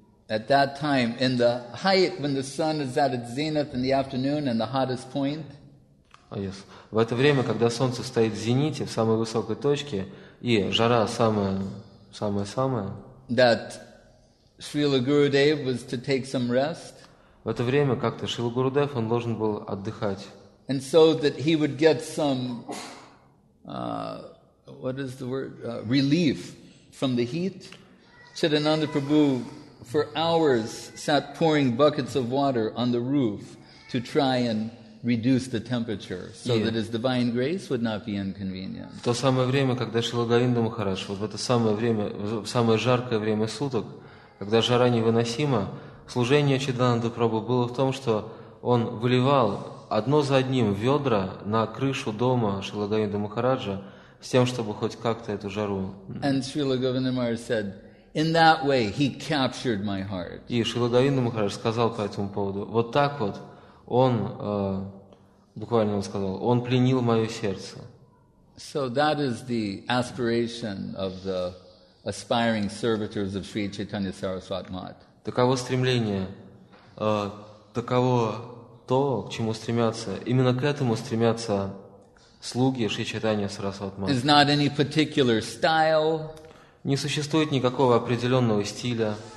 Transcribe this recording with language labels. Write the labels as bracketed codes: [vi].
[en] At that time, in the height, when the sun is at its zenith in the afternoon and the hottest point. Yes. [ru] В это время, когда солнце стоит в зените, в самой высокой точке, и жара самая-самая-самая, [en] that Srila Gurudev was to take some rest. [ru] В это время как-то Шрила Гурудев, он должен был отдыхать. [en] And so that he would get some, what is the word, relief from the heat, Chidananda Prabhu for hours sat pouring buckets of water on the roof to try and reduce the temperature so that his divine grace would not be inconvenient. [ru] В то самое время, когда Шрила Говинда Махарадж, вот в это самое время, в самое жаркое время суток, когда жара невыносима, служение Чидананда Прабху было в том, что он выливал одно за одним ведра на крышу дома Шрила Говинда Махараджа с тем, чтобы хоть как-то эту жару. [en] And Srila Govinda Maharaj said, in that way he captured my heart. [ru] И Шрила Говинда Махарадж сказал по этому поводу, вот так вот, он, буквально он сказал, он пленил мое сердце. [en] So that is the aspiration of the aspiring servitors of Sri Chaitanya Saraswat Mat. [ru] Таково стремление, таково то, к чему стремятся, именно к этому стремятся слуги Шри Чайтанья Сарасвати Матхи. [en] Is not any particular style. [ru] Не существует никакого определенного стиля.